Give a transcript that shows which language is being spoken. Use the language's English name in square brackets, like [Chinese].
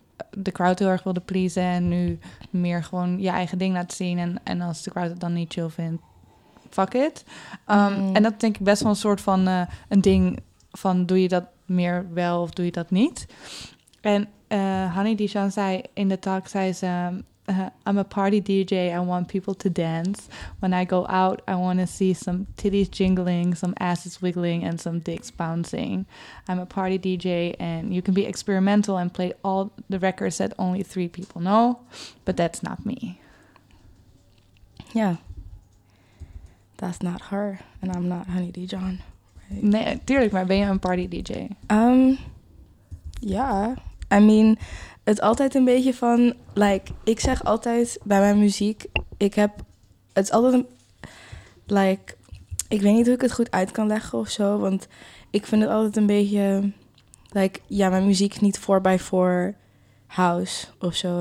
[Dutch] de crowd heel erg wilde pleasen en nu meer gewoon je eigen ding laten zien. En als de crowd het dan niet chill vindt, [English] fuck it. [Dutch] En dat denk ik best wel een soort van een ding van... doe je dat meer wel of doe je dat niet? En Hanny Dijon zei in de talk, zei ze... [English] I'm a party DJ, I want people to dance. When I go out, I want to see some titties jingling, some asses wiggling and some dicks bouncing. I'm a party DJ and you can be experimental and play all the records that only three people know, but that's not me. Yeah, that's not her and I'm not Hanny Dijon. Right? [Dutch] Nee, tuurlijk, maar ben je een party DJ? [English] Yeah, I mean... [Dutch] Het altijd een beetje van, like, ik zeg altijd bij mijn muziek, ik heb, het is altijd, like, ik weet niet hoe ik het goed uit kan leggen of zo, want ik vind het altijd een beetje, like, ja, mijn muziek is niet 4x4 house of zo.